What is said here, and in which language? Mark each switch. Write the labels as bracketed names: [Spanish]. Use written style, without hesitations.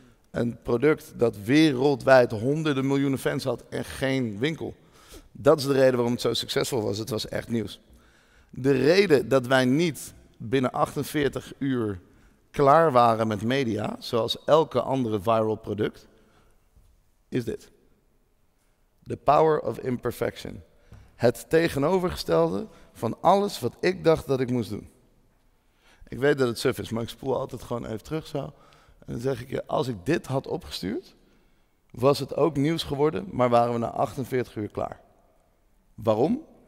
[Dutch] een product dat wereldwijd honderden miljoenen fans had en geen winkel. Dat is de reden waarom het zo succesvol was. Het was echt nieuws. De reden dat wij niet binnen 48 uur klaar waren met media, zoals elke andere viral product, is dit. [English] The power of imperfection. [Dutch] Het tegenovergestelde van alles wat ik dacht dat ik moest doen. Ik weet dat het suf is, maar ik spoel altijd gewoon even terug zo. En dan zeg ik je, als ik dit had opgestuurd, was het ook nieuws geworden, maar waren we na 48 uur klaar. Waarom?